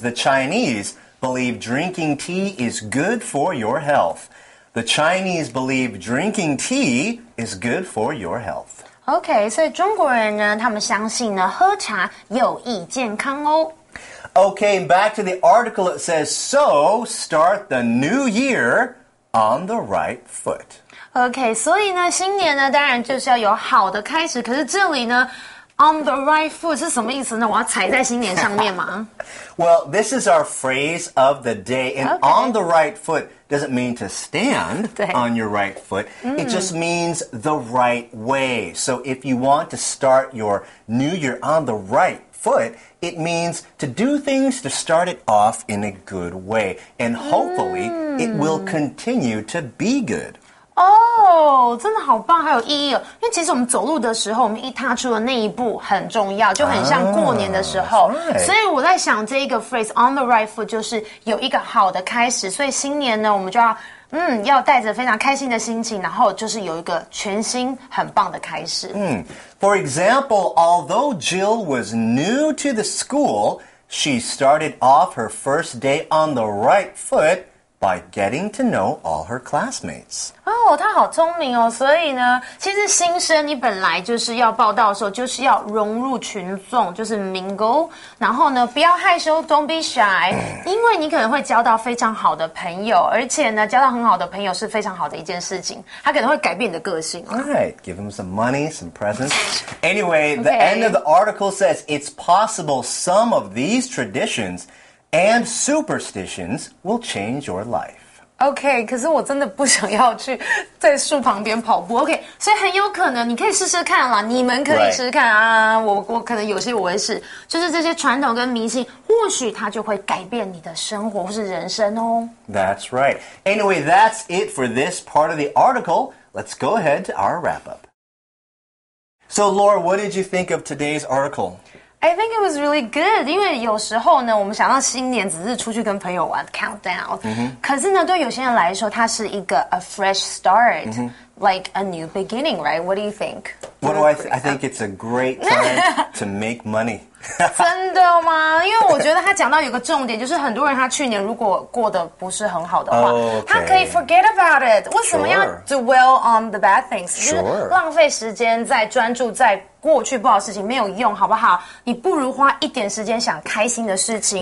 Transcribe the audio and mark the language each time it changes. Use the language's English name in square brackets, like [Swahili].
[English] The Chinese believe drinking tea is good for your health. The Chinese believe drinking tea is good for your health. [Chinese] Okay, 所以中国人呢他们相信呢喝茶有益健康哦。 [English] Okay, back to the article, it says, so start the new year on the right foot. [Chinese] Okay, 所以呢新年呢当然就是要有好的开始可是这里呢 on the right foot 是什么意思呢我要踩在新年上面吗 [English] Well, this is our phrase of the day, and、okay. on the right foot doesn't mean to stand on your right foot.、Mm. It just means the right way. So if you want to start your new year on the right foot, it means to do things to start it off in a good way. And hopefully,、it will continue to be good. [Chinese] Oh, 真的好棒，好有意义哦。因为其实我们走路的时候，我们一踏出的那一步很重要，就很像过年的时候。所以我在想这一个 phrase on the right foot 就是有一个好的开始，所以新年呢，我们就要要带着非常开心的心情，然后就是有一个全新很棒的开始。 [English] For example, although Jill was new to the school, she started off her first day on the right foot by getting to know all her classmates. [Chinese] 她好聪明哦，所以呢，其实新生你本来就是要报道的时候就是要融入群众，就是 mingle, 然后呢，不要害羞 [English] don't be shy, [Chinese] 因为你可能会交到非常好的朋友，而且呢，交到很好的朋友是非常好的一件事情，他可能会改变你的个性。 [English] Alright, give him some money, some presents. Anyway, the end of the article says it's possible some of these traditions and superstitions will change your life. [Chinese] OK, 可是我真的不想要去在树旁边跑步。 OK, 所以很有可能你可以试试看啦，你们可以试试看啊、我可能有些我会试。就是这些传统跟迷信或许它就会改变你的生活或是人生哦。 [English] That's right. Anyway, that's it for this part of the article. Let's go ahead to our wrap-up. So Laura, what did you think of today's article? I think it was really good, [Chinese] 因为有时候呢，我们想到新年只是出去跟朋友玩 countdown,、 mm-hmm. 可是呢，对有些人来说，它是一个 [English] a fresh start,、 mm-hmm. like a new beginning, right? What do you think? What do I think? I think it's a great time to make money. [Chinese] 真的吗？因为我觉得他讲到有个重点，就是很多人他去年如果过得不是很好的话、 [English] okay. [Chinese] 他可以 [English] forget about it. [Chinese] 为什么要 [English] dwell on the bad things? [Chinese] 就是浪费时间在专注在过去不好的事情没有用，好不好？你不如花一点时间想开心的事情